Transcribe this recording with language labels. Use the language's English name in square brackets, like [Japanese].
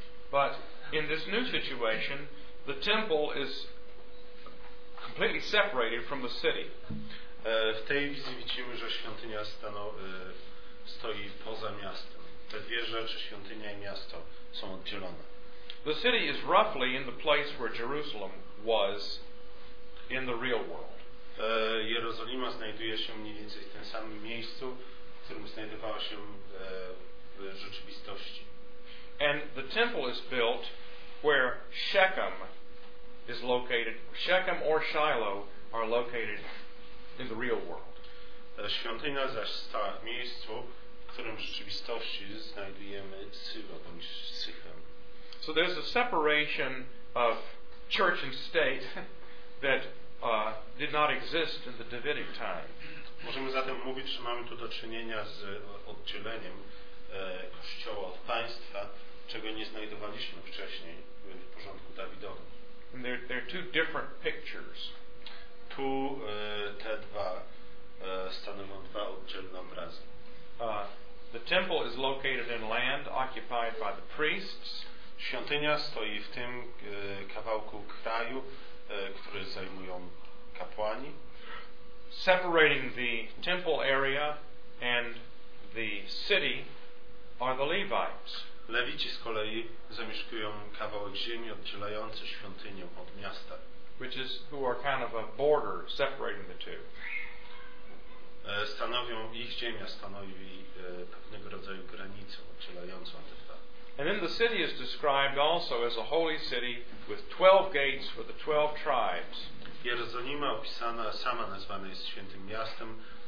[English] But in this new situation, the temple is completely separated from the city. [Polish] W tej wizji widzimy, że świątynia stoi poza miastem. Te dwie rzeczy, świątynia i miasto, są oddzielone. [English] The city is roughly in the place where Jerusalem was in the real world. [Polish] Jerozolima znajduje się mniej więcej w tym samym miejscu, w którym znajdowała się w rzeczywistości. [English] And the temple is built where Shechem is located. Shechem or Shiloh are located in the real world. [Polish] Świątynia zaś stała w miejscu, w którym w rzeczywistości znajdujemy Sylo bądź Sychem. [English] So there's a separation of church and state that did not exist in the Davidic time. [Polish] Możemy zatem mówić, że mamy tu do czynienia z oddzieleniem kościoła od państwa, czego nie znajdowaliśmy wcześniej w porządku Dawidowym. [English] And there are two different pictures. [Polish] Tu te dwa stanowią dwa oddzielne obrazy. [English] The temple is located in land occupied by the priests. [Polish] Świątynia stoi w tym kawałku kraju, który zajmują kapłani. [English] Separating the temple area and the city are the Levites. [Polish] Lewici z kolei zamieszkują kawałek ziemi oddzielający świątynię od miasta. [English] Which is who are kind of a border separating the two. [Polish] Stanowią ich ziemia stanowi pewnego rodzaju granicę oddzielającą te dwa. [English] And then the city is described also as a holy city with 12 gates for the 12 tribes. [Polish] Jerozolima opisana sama nazwana jest świętym miastem.